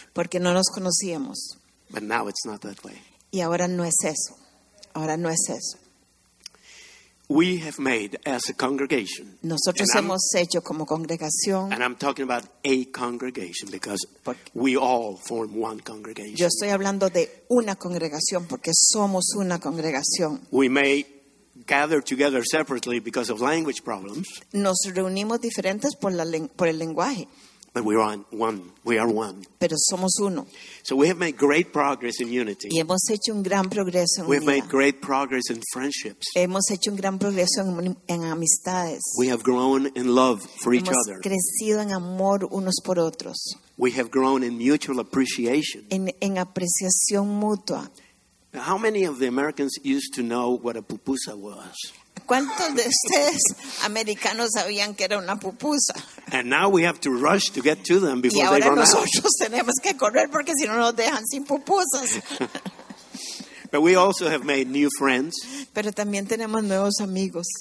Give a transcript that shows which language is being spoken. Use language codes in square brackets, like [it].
[es] Porque no nos conocíamos. [en] But now it's not that way. [es] Y ahora no es eso. Ahora no es eso. [en] We have made as a congregation. [es] Nosotros hemos hecho como congregación. [en] And I'm talking about a congregation because we all form one congregation. [es] Yo estoy hablando de una congregación porque somos una congregación. [en] We may gather together separately because of language problems. [es] Nos reunimos diferentes por el lenguaje. [en] But we are one. We are one. [es] Pero somos uno. [en] So we have made great progress in unity. [es] Y hemos hecho un gran progreso en [en] we have made great progress in friendships. [es] Hemos hecho un gran progreso en amistades. [en] We have grown in love for [es] hemos [en] each other. [es] Crecido en amor unos por otros. [en] We have grown in mutual appreciation. [es] En apreciación mutua. [en] Now, how many of the Americans used to know what a pupusa was? [es] ¿Cuántos de ustedes americanos sabían que era una pupusa? [en] And now we have to rush to get to them before run out. [es] Y ahora nosotros tenemos que correr porque si no nos dejan sin pupusas. [en] But we also have made new friends. [es] Pero también tenemos nuevos amigos.